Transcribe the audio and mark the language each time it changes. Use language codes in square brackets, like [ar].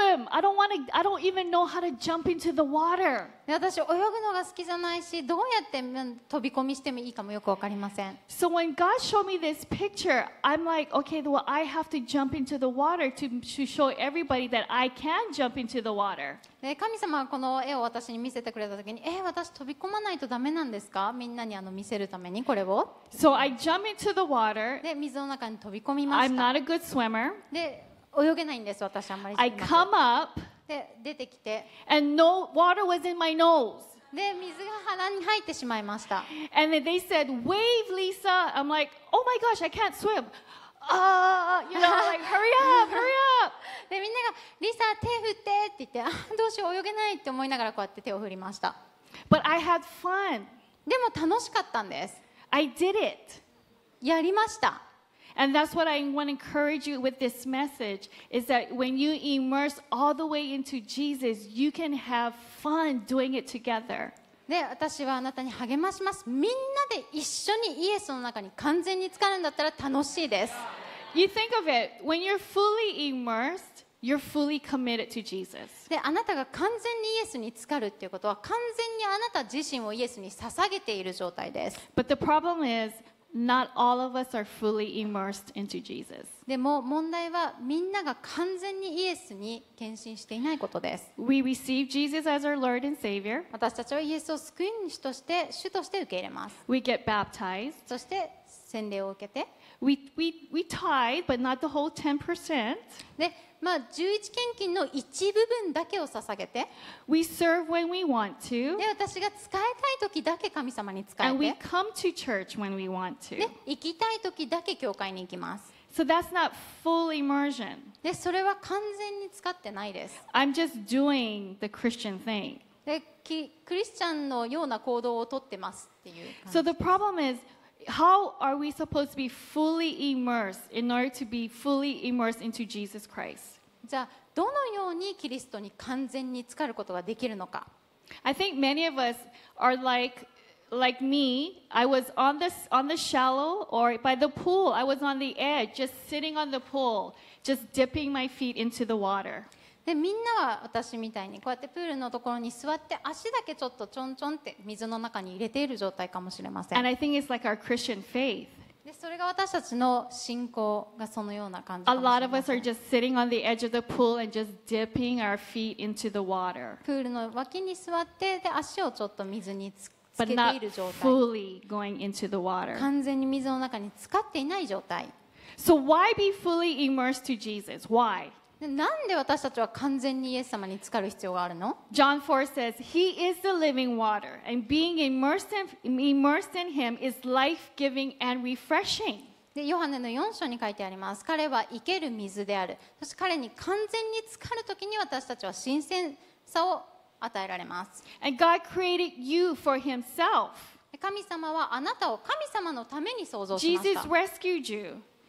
[en] I don't want to. I don't even know how to jump into the water. [ja] 私泳ぐのが好きじゃないし、どうやって飛び込みしてもいいかもよくわかりません。 [en] So when God showed me this picture, I'm like, okay, well, I have to jump into the water to show everybody that I can jump into the water. [ja] 神様がこの絵を私に見せてくれた時に、私飛び込まないとダメなんですか？みんなに見せるためにこれを。 [en] So I jump into the water. [ja] で、水の中に飛び込みました。 [en] I'm not a good swimmer. [ja] で、泳げないんです、私あんまり。 [en] I come up. [ja] で出てきて、 [en] and no water was in my nose. [ja] で水が鼻に入ってしまいました。 [en] And they said, "Wave, Lisa." I'm like, "Oh my gosh, I can't swim." You know, like, "Hurry up, hurry up." [ja] でみんなが、Lisa, 手振ってって言って、どうしよう泳げないって思いながらこうやって手を振りました。 [en] But I had fun. [ja] でも楽しかったんです。 [en] I did it. [ja] やりました。 [en] And that's what I want to encourage you with this message is that when you immerse all the way into Jesus, you can have fun doing it together. [ja] で、私はあなたに励まします。みんなで一緒にイエスの中に完全に浸かるんだったら楽しいです。 [en] You think of it, when you're fully immersed, you're fully committed to Jesus. [ja] で、あなたが完全にイエスに浸かるっていうことは完全にあなた自身をイエスに捧げている状態です。 [en] But the problem is,Not all of us are fully immersed into Jesus. [ja] でも問題はみんなが完全にイエスに献身していないことです。 [en] We receive Jesus as our Lord and Savior. [ja] 私たちはイエスを救い主として、主として受け入れます。 [en] We get baptized. [ja] そして洗礼を受けて。 [en] We tithe, but not the whole 10%. [ja] で、まあ11献金の一部分だけを捧げて。 [en] We serve when we want to. [ja] で、私が使いたい時だけ神様に使えて。 [en] And we come to church when we want to. [ja] で、行きたい時だけ教会に行きます。 [en] So that's not full immersion. [ja] で、それは完全に使ってないです。 [en] I'm just doing the Christian thing. [ja] で、クリスチャンのような行動をとってますっていう感じ。 [en] So the problem is,How are we supposed to be fully immersed in order to be fully immersed into Jesus Christ? [ja] じゃあどのようにキリストに完全に浸かることができるのか? [en] I think many of us are like me. I was on the shallow or by the pool. I was on the edge, just sitting on the pool, just dipping my feet into the water. [ja] でみんなは私みたいにこうやってプールのところに座って足だけちょっとちょんちょんって水の中に入れている状態かもしれません。 [en] And I think it's like our Christian faith. [ja] でそれが私たちの信仰がそのような感じかもしれません。 [en] A lot of us are just sitting on the edge of the pool and just dipping our feet into the water. [ja] プールの脇に座ってで足をちょっと水につけている状態。 [en] But not fully going into the water. [ja] 完全に水の中に浸かっていない状態。 [en] So why be fully immersed to Jesus? Why? [ja] なんで私たちは完全にイエス様に浸かる必要があるの? [en] John 4 says, He is the living water, and being immersed in Him is life-giving and refreshing. [ja] で、ヨハネの4章に書いてあります。彼は生ける水である。そして彼に完全に浸かるときに私たちは新鮮さを与えられます。 [en] And God created you for Himself. [ja] 神様はあなたを神様のために創造しました。 [en] Jesus rescued you.